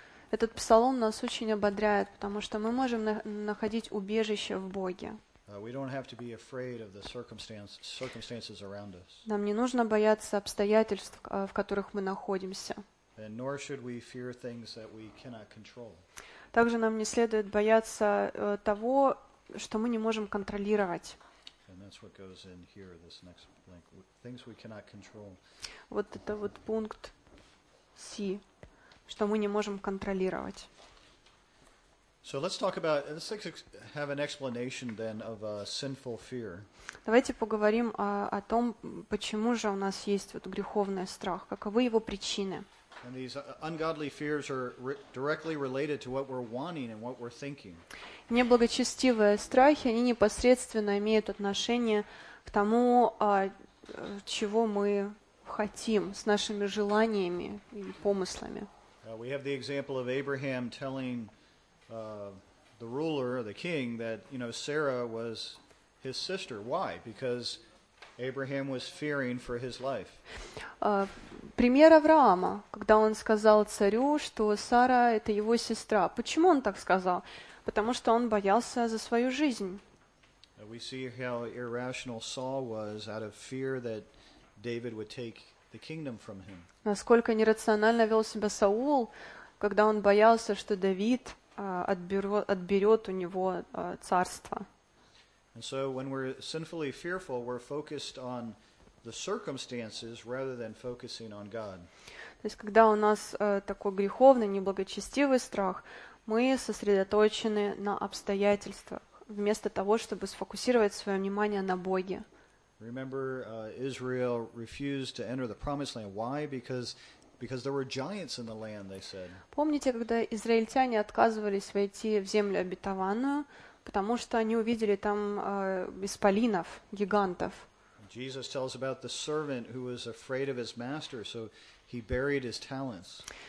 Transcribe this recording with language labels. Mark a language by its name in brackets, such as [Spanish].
[Russian] Этот псалом нас очень ободряет, потому что мы можем находить убежище в Боге. [English] We don't have to be afraid of the circumstances around us. [Russian] Нам не нужно бояться обстоятельств, в которых мы находимся. [English] And nor should we fear things that we cannot control. [Russian] Также нам не следует бояться того, что мы не можем контролировать. [English] And that's what goes in here, this next link. Things we cannot control. [Russian] Вот это вот пункт C, что мы не можем контролировать. [English] So let's have an explanation then of a sinful fear. [Russian] Давайте поговорим о том, почему же у нас есть вот греховный страх, каковы его причины. [English] And these ungodly fears are directly related to what we're wanting and what we're thinking. [Russian] Неблагочестивые страхи, они непосредственно имеют отношение к тому, чего мы хотим, с нашими желаниями и помыслами. [English] We have the example of Abraham telling the ruler, the king, that, you know, Sarah was his sister. Why? Because Abraham was fearing for his life. [Russian] Пример Авраама, когда он сказал царю, что Сара — это его сестра. Почему он так сказал? Потому что он боялся за свою жизнь. [English] We see how irrational Saul was out of fear that David would take the kingdom from him. [Russian] Насколько нерационально вел себя Саул, когда он боялся, что Давид отберет у него царство. [English] And so when we're sinfully fearful, we're focused on the circumstances rather than focusing on God. [Russian] То есть когда у нас такой греховный, неблагочестивый страх, мы сосредоточены на обстоятельствах, вместо того, чтобы сфокусировать свое внимание на Боге. [English] Remember, Israel refused to enter the promised land. Why? Because there were giants in the land, they said. [Russian] Помните, когда израильтяне отказывались войти в землю обетованную, потому что они увидели там исполинов, гигантов. [English] Jesus tells about the servant who was afraid of his master, so he buried his talents.